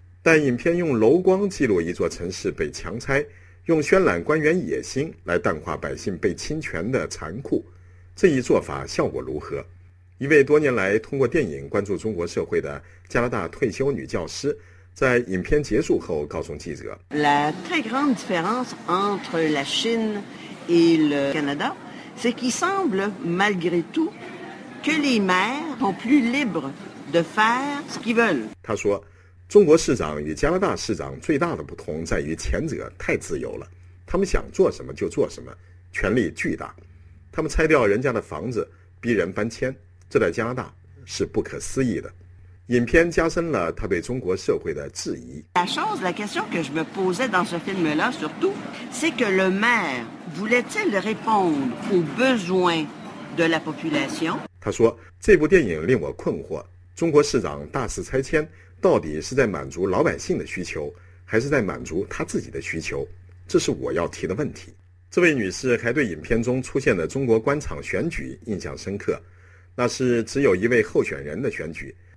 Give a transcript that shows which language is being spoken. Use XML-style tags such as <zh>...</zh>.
<zh>但影片用柔光记录一座城市被强拆，用渲染官员野心来淡化百姓被侵权的残酷，这一做法效果如何？一位多年来通过电影关注中国社会的加拿大退休女教师在影片结束后告诉记者，</zh> <fr>La très grande différence entre la Chine et le Canada, c'est qu'il semble malgré tout que les maires sont plus libres de faire ce qu'ils veulent.</fr> <zh>他说，中国市长与加拿大市长最大的不同在于前者太自由了，他们想做什么就做什么，权力巨大。他们拆掉人家的房子，逼人搬迁，这在加拿大是不可思议的。影片加深了他对中国社会的质疑。</zh> <fr>La chose, la question que je me posais dans ce film-là, surtout, c'est que le maire voulait-il répondre aux besoins de la population?</fr> <zh>他说，这部电影令我困惑，中国市长大肆拆迁，到底是在满足老百姓的需求，还是在满足他自己的需求？这是我要提的问题。这位女士还对影片中出现的中国官场选举印象深刻，那是只有一位候选人的选举。</zh>